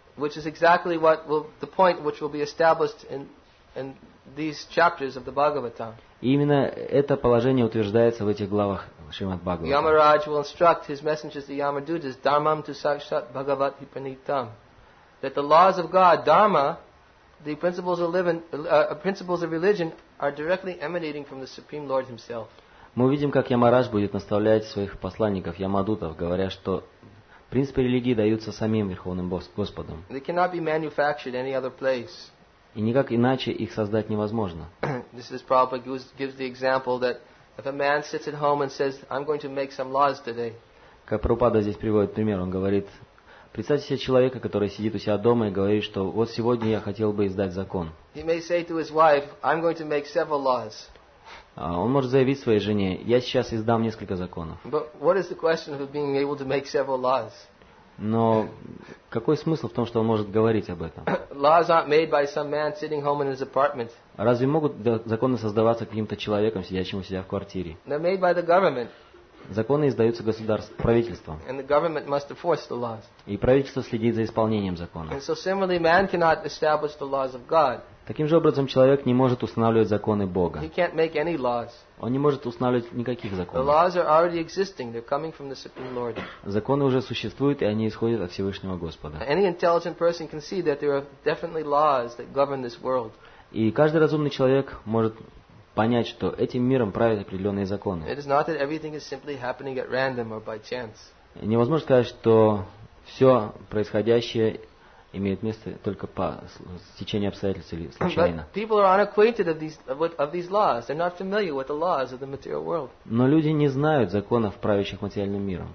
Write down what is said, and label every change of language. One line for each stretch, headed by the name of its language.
English: Which is exactly what will the point which will be established in these chapters of the Bhagavatam.
Russian: И именно это положение утверждается в этих главах Шримад Бхагаватам.
English: Yamaraj will instruct his messengers, the Yamadutas,
Sanskrit: dharmam tu sakshat bhagavat hipanitam.
English: That the laws of God, dharma, the principles of religion are directly emanating from the Supreme Lord himself.
Russian: Мы видим, как Ямарадж будет наставлять своих посланников, Ямадутов, говоря, что принципы религии даются самим Верховным Господом.
English: They cannot be manufactured any other place.
Russian: И никак иначе их создать невозможно.
English: This is Prabhupada gives the example that if a man sits at home and says, I'm going to make some laws today.
Russian: Как Прабхупада здесь приводит пример, он говорит, представьте себе человека, который сидит у себя дома и говорит, что вот сегодня я хотел бы издать закон.
English: He may say to his wife, I'm going to make several laws.
Russian: Он может заявить своей жене, я сейчас издам несколько законов.
English: But what is the question of being able to make several laws?
Russian: Но какой смысл в том, что он может говорить об этом?
English: Laws aren't made by some man sitting home in his apartment.
Russian: Разве могут законы создаваться каким-то человеком, сидящим у себя в квартире?
English: They're made by the government.
Russian: Законы издаются государством, правительством.
English: And the government must enforce the laws.
Russian: И правительство следит за исполнением закона.
English: And so similarly, man cannot establish the laws of God.
Russian: Таким же образом, человек не может устанавливать законы Бога.
English: He can't make any laws.
Russian: Он не может устанавливать никаких законов.
English: The laws are already existing. They're coming from the Supreme Lord.
Russian: Законы уже существуют, и они исходят от Всевышнего Господа.
English: Any intelligent person can see that there are definitely laws that govern this world.
Russian: И каждый разумный человек может понять, что этим миром правят определенные законы.
English: It is not that everything is simply happening at random or by chance.
Russian: Невозможно сказать, что все происходящее имеет место только по стечению обстоятельств или случайно.
English: But people are unacquainted of these laws. They're not familiar with the laws of the material world.
Russian: Но люди не знают законов, правящих материальным миром.